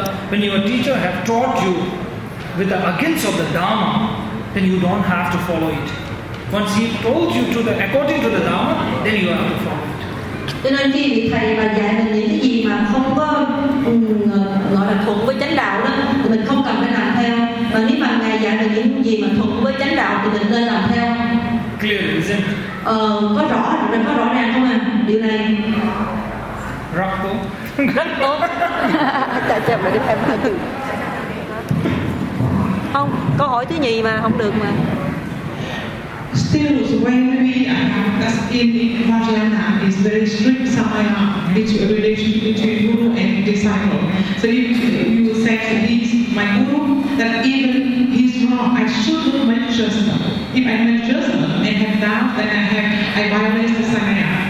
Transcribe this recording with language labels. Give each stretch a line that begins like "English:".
English: When your teacher have taught you with the against of the Dharma, then you don't have to follow it. Once he told you to the according to the Dharma, then you have to follow it.
Vietnamese: Cho nên khi vị thầy mà dạy mình những cái gì mà không có gọi là thuận với chánh đạo đó, thì mình không cần phải làm theo. Mà nếu mà ngài dạy mình những gì mà thuận với chánh đạo thì mình nên làm theo.
English: Clear, isn't it?
Vietnamese: Có rõ, mình có rõ ràng không ạ? Điều này. Rất tốt. Rất tốt. Chào chào mấy em. Không, câu hỏi thứ nhì mà không được mà.
English: Still, so when we are in Vajrayana, it's very strict samaya between relationship between guru and disciple. So you will say to these, my guru, that even he's wrong, I shouldn't mention stuff. If I mention stuff and have doubt, then I violate the samaya.